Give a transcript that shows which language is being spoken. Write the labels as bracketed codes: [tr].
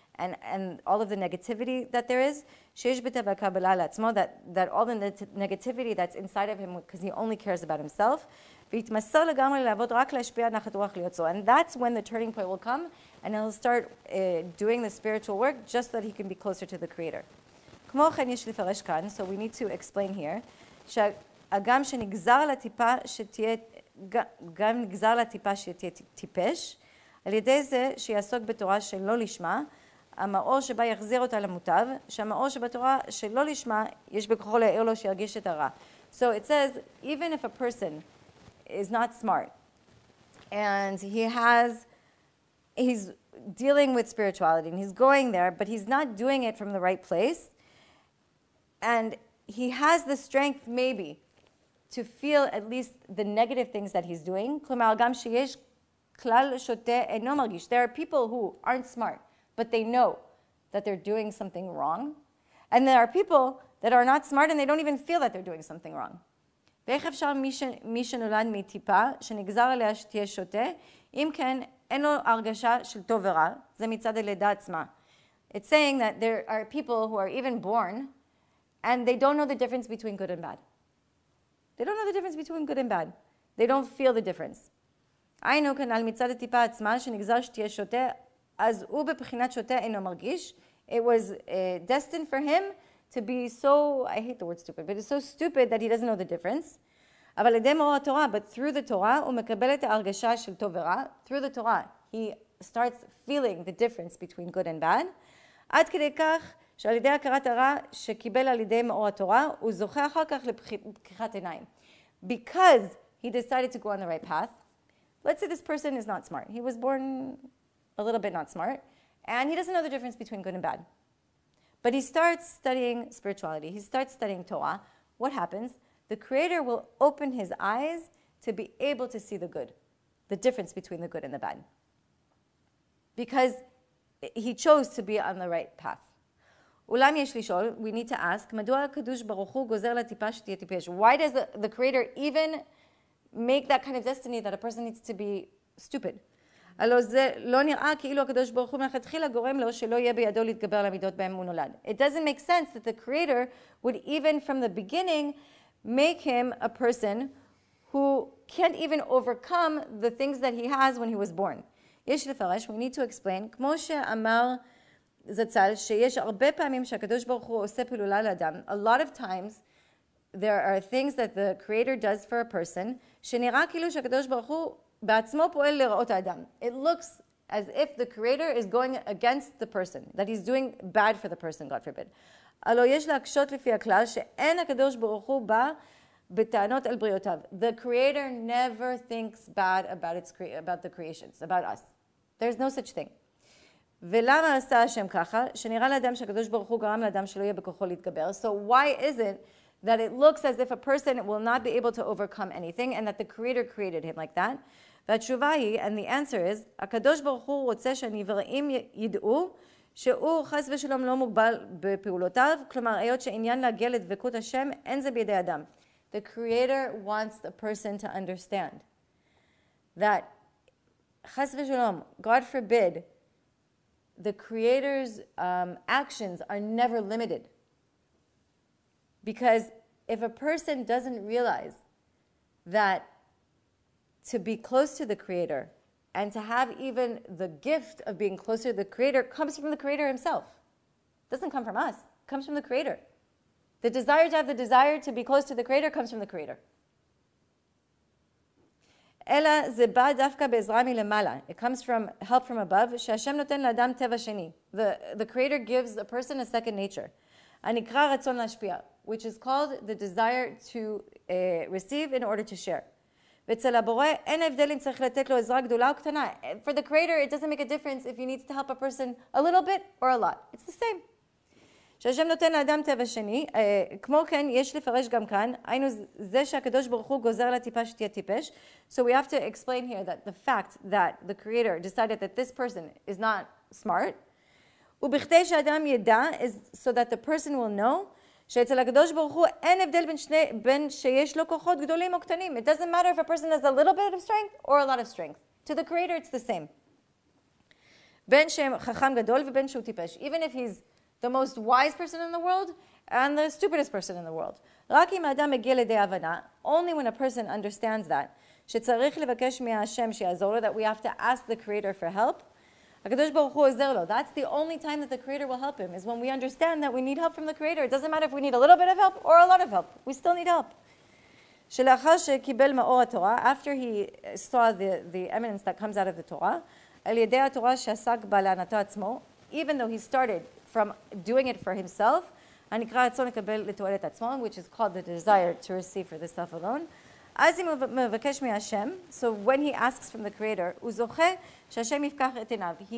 [en] And all of the negativity that there is, [he] שיש בטבע קבלה לעצמו, [en] that all the negativity that's inside of him, because he only cares about himself, [he] והתמסר לגמרי לעבוד רק להשפיע נחת רוח להיות זו. [en] And that's when the turning point will come, and he'll start doing the spiritual work just that he can be closer to the creator. [he] כמו כן יש לפרש כאן, [en] so we need to explain here, [he] שהגם שנגזר על הטיפה שתהיה, גם נגזר על הטיפה שתהיה טיפש, על ידי זה שיעסוק בתורה שלא לשמה, המאור שבה יחזיר אותה למוטב, שהמאור שבתורה שלא לשמה, יש בכוחו להעיר לו שירגיש את הרע. [en] So it says, even if a person is not smart, and he's dealing with spirituality, and he's going there, but he's not doing it from the right place, and he has the strength, maybe, to feel at least the negative things that he's doing. [he] כלומר, גם שיש כלל שוטה אינו מרגיש. [en] There are people who aren't smart, but they know that they're doing something wrong. And there are people that are not smart and they don't even feel that they're doing something wrong. [he] ואיך אפשר מי שנולד מטיפה, שנגזר עליה שתהיה שוטה, אם כן, אין לו הרגשה של טוב ורע, זה מצד הלידה עצמה. [en] It's saying that there are people who are even born and they don't know the difference between good and bad. They don't know the difference between good and bad. They don't feel the difference. [he] היינו כאן על מצד הטיפה עצמה שנגזר שתהיה שוטה, אז הוא בבחינת שוטה אינו מרגיש. [en] It was destined for him to be so, I hate the word stupid, but it's so stupid that he doesn't know the difference. [he] אבל לידי מאור התורה, [en] but through the Torah, [he] הוא מקבל את ההרגשה של טוב ורע. [en] Through the Torah, he starts feeling the difference between good and bad. [he] עד כדי כך, שעל ידי הכרת הרע שקיבל על ידי מאור התורה, הוא זוכה אחר כך לפקיחת עיניים. [en] Because he decided to go on the right path, let's say this person is not smart. He was born a little bit not smart, and he doesn't know the difference between good and bad. But he starts studying spirituality. He starts studying Torah. What happens? The Creator will open his eyes to be able to see the good, the difference between the good and the bad. Because he chose to be on the right path. [he] אולם יש לשאול, [en] we need to ask, [he] מדוע הקדוש ברוך הוא גוזר לטיפה שתהיה טיפש? [en] Why does the Creator even make that kind of destiny that a person needs to be stupid? [he] הלא זה לא נראה כאילו הקדוש ברוך הוא מלכתחילה גורם לו שלא יהיה בידו להתגבר על המידות בהם הוא נולד. [en] It doesn't make sense that the Creator would even from the beginning make him a person who can't even overcome the things that he has when he was born. [he] יש לפרש, [en] we need to explain, [he] כמו שאמר זצל, שיש הרבה פעמים שהקדוש ברוך הוא עושה פעולה לאדם. [en] A lot of times there are things that the Creator does for a person [he] שנראה כאילו שהקדוש ברוך הוא בעצמו פועל לרעות האדם. [en] It looks as if the Creator is going against the person, that he's doing bad for the person, God forbid. [he] הלא יש להקשות לפי הכלל שאין הקדוש ברוך הוא בא בטענות על בריאותיו. [en] The Creator never thinks bad about about the creations, about us. There's no such thing. [he] ולמה עשה השם ככה? שנראה לאדם שהקדוש ברוך הוא גרם לאדם שלא יהיה בכוחו להתגבר. [en] So why is it that it looks as if a person will not be able to overcome anything and that the Creator created him like that? [he] והתשובה היא, [en] and the answer is, [he] הקדוש ברוך הוא רוצה שהנבראים ידעו שהוא חס ושלום לא מוגבל בפעולותיו, כלומר היות שעניין להגיע לדבקות השם אין זה בידי אדם. [en] The Creator wants the person to understand that חס ושלום, God forbid, the Creator's actions are never limited. Because if a person doesn't realize that to be close to the Creator and to have even the gift of being closer to the Creator comes from the Creator himself. It doesn't come from us. It comes from the Creator. The desire to have the desire to be close to the Creator comes from the Creator. [he] אלא זה בא דווקא בעזרה מלמעלה. [en] It comes from help from above, [he] שהשם נותן לאדם טבע שני. [en] The Creator gives a person a second nature. [he] הנקרא רצון להשפיע, [en] which is called the desire to receive in order to share. [he] ואצל הבורא אין הבדל אם צריך לתת לו עזרה גדולה או קטנה. [en] For the Creator, it doesn't make a difference if he needs to help a person a little bit or a lot. It's the same. [he] שהשם נותן לאדם טבע שני, כמו כן יש לפרש גם כאן, היינו זה שהקדוש ברוך הוא גוזר לטיפה שתהיה טיפש. [en] So we have to explain here that the fact that the Creator decided that this person is not smart, [he] ובכדי שאדם ידע, [en] is so that the person will know, [he] שאצל הקדוש ברוך הוא אין הבדל בין שיש לו כוחות גדולים או קטנים. [en] It doesn't matter if a person has a little bit of strength or a lot of strength. To the Creator it's the same. [he] בין שהם חכם גדול ובין שהוא טיפש. [en] Even if he's the most wise person in the world and the stupidest person in the world. [he] רק אם האדם מגיע לידי הבנה, [en] only when a person understands that, [he] שצריך לבקש מהשם שיעזור לו, [en] that we have to ask the creator for help. [he] הקדוש ברוך הוא עוזר לו. [en] That's the only time that the creator will help him, is when we understand that we need help from the creator. It doesn't matter if we need a little bit of help or a lot of help. We still need help. [he] שלאחר שקיבל מאור התורה, [en] after he saw the eminence that comes out of the Torah, [he] על ידי התורה שעסק בה לענתו עצמו, [en] even though he started from doing it for himself, [he] הנקרא רצון לקבל לתועלת עצמו, [en] which is called the desire to receive for the self alone, [he] אז הוא מבקש מהשם, [en] so when he asks from the creator, [he] הוא זוכה שהשם יפקח את עיניו.